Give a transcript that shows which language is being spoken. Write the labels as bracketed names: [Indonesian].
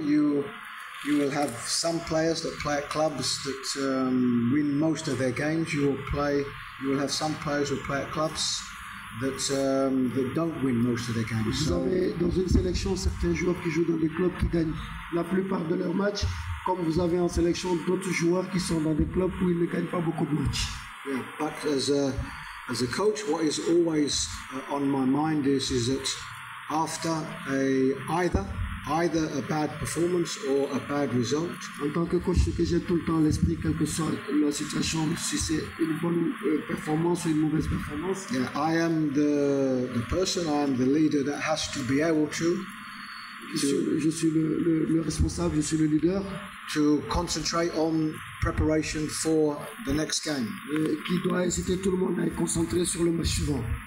[English] You will have some players that play at clubs that win most of their games. You will have some players who play at clubs that don't win most of their games. [French] Vous avez dans une sélection certains joueurs qui jouent dans des clubs qui gagnent la plupart de leurs matchs, comme vous avez en sélection d'autres joueurs qui sont dans des clubs où ils ne gagnent pas beaucoup de matchs. [English] Yeah, but as a coach, what is always on my mind is that after either a bad performance or a bad result. [French] En tant que coach, ce que j'ai tout le temps à l'esprit, quelle que soit la situation, si c'est une bonne performance ou une mauvaise performance. [English] Yeah, I am the person, I am the leader that has to be able to. [French] Je suis le responsable, je suis le leader. [English] To concentrate on preparation for the next game. [French] Qui doit inciter tout le monde à être concentré sur le match suivant.